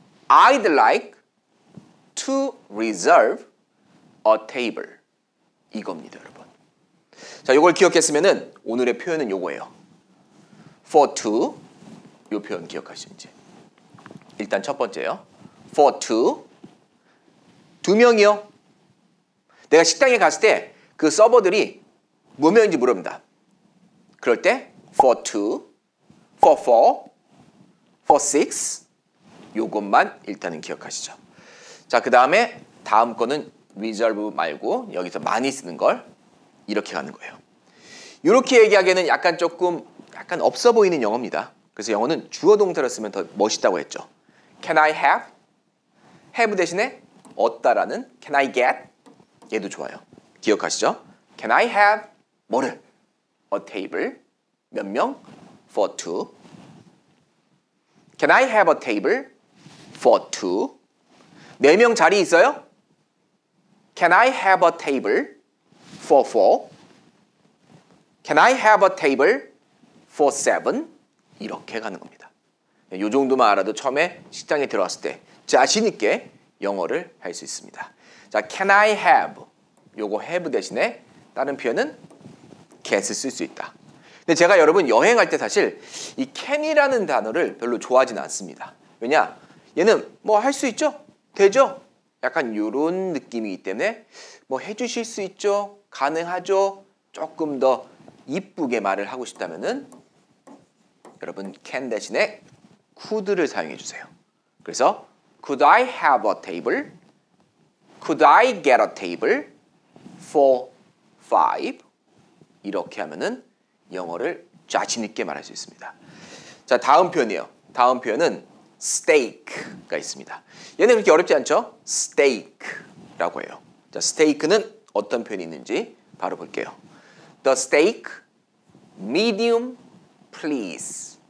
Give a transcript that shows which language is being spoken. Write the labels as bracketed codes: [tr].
[en] I'd like to reserve a table. [ko] 이겁니다, 여러분. 자, 요걸 기억했으면은 오늘의 표현은 요거예요. For two. 요 표현 기억하시는지. 일단 첫 번째요. For two. 두 명이요. 내가 식당에 갔을 때 그 서버들이 몇 명인지 물어봅니다. 그럴 때 for two, for four, for six. 요것만 일단은 기억하시죠. 자, 그 다음에 다음 거는 reserve 말고 여기서 많이 쓰는 걸 이렇게 가는 거예요. 이렇게 얘기하기에는 약간 조금 약간 없어 보이는 영어입니다. 그래서 영어는 주어 동사를 쓰면 더 멋있다고 했죠. [en] Can I have? [ko] Have 대신에 얻다라는 Can I get? 얘도 좋아요. 기억하시죠? [en] Can I have? 뭐를? A table. 몇 명? For two. Can I have a table? For two. [ko] 네 명 자리 있어요? [en] Can I have a table? For four. Can I have a table? For seven. [ko] 이렇게 가는 겁니다. 요 정도만 알아도 처음에 식당에 들어왔을 때 자신 있게 영어를 할 수 있습니다. [en] 자, can I have? [ko] 요거 have 대신에 다른 표현은 get 쓸 수 있다. 근데 제가 여러분 여행할 때 사실 이 can이라는 단어를 별로 좋아하진 않습니다. 왜냐? 얘는 뭐 할 수 있죠? 되죠? 약간 요런 느낌이기 때문에 뭐 해주실 수 있죠? 가능하죠? 조금 더 이쁘게 말을 하고 싶다면은 여러분 can 대신에 could를 사용해 주세요. 그래서 [en] could I have a table? Could I get a table for five? [ko] 이렇게 하면은 영어를 자신 있게 말할 수 있습니다. 자, 다음 표현이에요. 다음 표현은 steak가 있습니다. 얘는 그렇게 어렵지 않죠? steak라고 해요. 자, steak는 어떤 표현이 있는지 바로 볼게요. [en] The steak medium please.